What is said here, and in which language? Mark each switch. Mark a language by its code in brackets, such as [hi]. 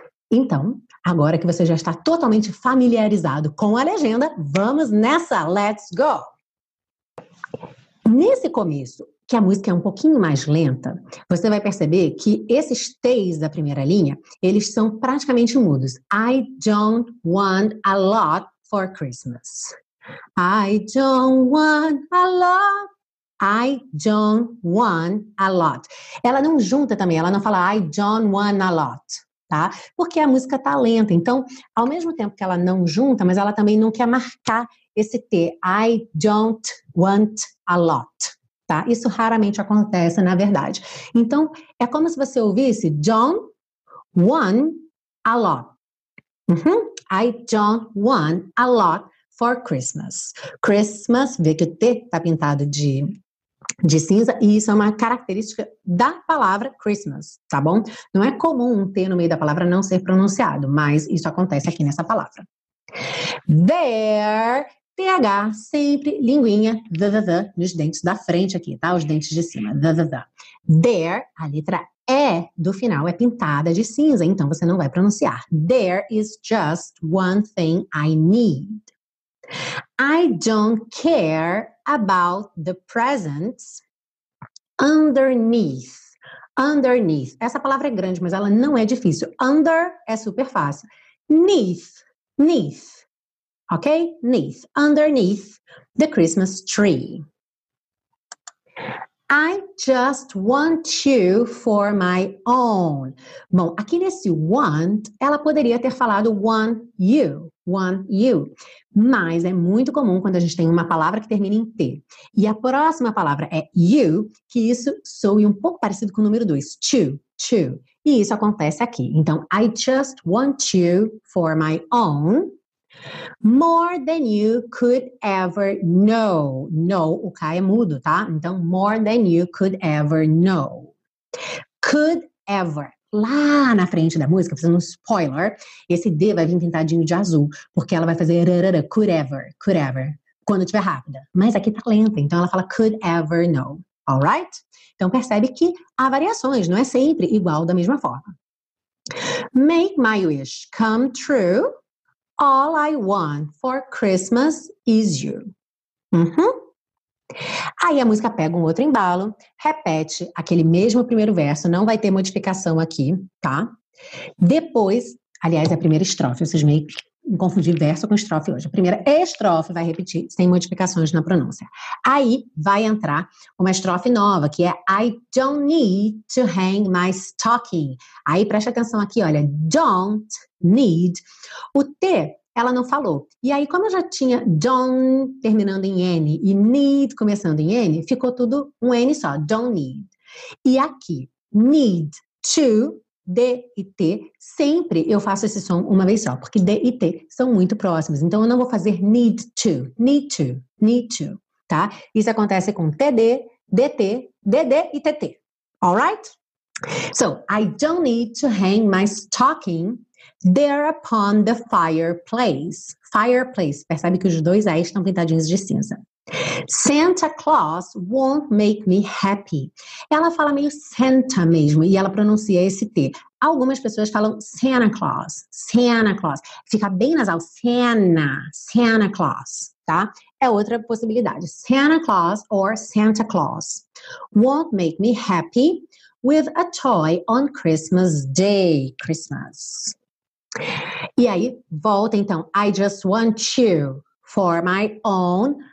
[pt] Então, agora que você já está totalmente familiarizado com a legenda, vamos nessa! [en] Let's go! [pt] Nesse começo, que a música é um pouquinho mais lenta, você vai perceber que esses T's da primeira linha, eles são praticamente mudos. [en] I don't want a lot for Christmas. I don't want a lot. I don't want a lot. [pt] Ela não junta também, ela não fala [en] I don't want a lot, [pt] tá? Porque a música tá lenta. Então, ao mesmo tempo que ela não junta, mas ela também não quer marcar esse T. [en] I don't want a lot, tá? [pt] Isso raramente acontece, na verdade. Então, é como se você ouvisse [en] don't want a lot. Uhum. I don't want a lot for Christmas. [pt] Christmas, vê que o T tá pintado de cinza, e isso é uma característica da palavra Christmas, tá bom? Não é comum um T no meio da palavra não ser pronunciado, mas isso acontece aqui nessa palavra. There, TH, sempre linguinha, the, nos dentes da frente aqui, tá? Os dentes de cima, the. There, a letra E do final é pintada de cinza, então você não vai pronunciar. [en] There is just one thing I need. I don't care about the presents underneath. Underneath. [pt] Essa palavra é grande, mas ela não é difícil. Under é super fácil. Neath. Neath. Ok? Neath. [en] Underneath the Christmas tree. I just want you for my own. [pt] Bom, aqui nesse want, ela poderia ter falado want you. Want you. Mas é muito comum quando a gente tem uma palavra que termina em T. E a próxima palavra é you, que isso soe um pouco parecido com o número 2. To, to. E isso acontece aqui. Então, [en] I just want you for my own. More than you could ever know. [pt] Know, o K é mudo, tá? Então, [en] more than you could ever know. Could ever. [pt] Lá na frente da música, fazendo um spoiler, esse D vai vir pintadinho de azul, porque ela vai fazer rarara, could ever, quando estiver rápida. Mas aqui tá lenta, então ela fala [en] could ever know, [pt] Alright? Então percebe que há variações, não é sempre igual da mesma forma. [en] Make my wish come true. All I want for Christmas is you. Uhum. [pt] Aí a música pega um outro embalo, repete aquele mesmo primeiro verso, não vai ter modificação aqui, tá? Depois, aliás, é a primeira estrofe, vocês meio que confundir verso com estrofe hoje. A primeira estrofe vai repetir sem modificações na pronúncia. Aí vai entrar uma estrofe nova, que é [en] I don't need to hang my stocking. [pt] Aí preste atenção aqui, olha, don't need. O T, ela não falou. E aí, como eu já tinha don't terminando em N e need começando em N, ficou tudo um N só, don't need. E aqui, need to, D e T, sempre eu faço esse som uma vez só, porque D e T são muito próximos. Então, eu não vou fazer need to, need to, need to, tá? Isso acontece com TD, DT, DD e TT, alright? [en] So, I don't need to hang my stocking there upon the fireplace. [pt] Fireplace, percebe que os dois A's estão pintadinhos de cinza. [en] Santa Claus won't make me happy. [pt] Ela fala meio Santa mesmo e ela pronuncia esse T. Algumas pessoas falam Santa Claus, Santa Claus. Fica bem nasal, Santa, Santa Claus, tá? É outra possibilidade. [en] Santa Claus or Santa Claus won't make me happy with a toy on Christmas Day. Christmas. [pt] E aí, volta então. [en] I just want you for my own.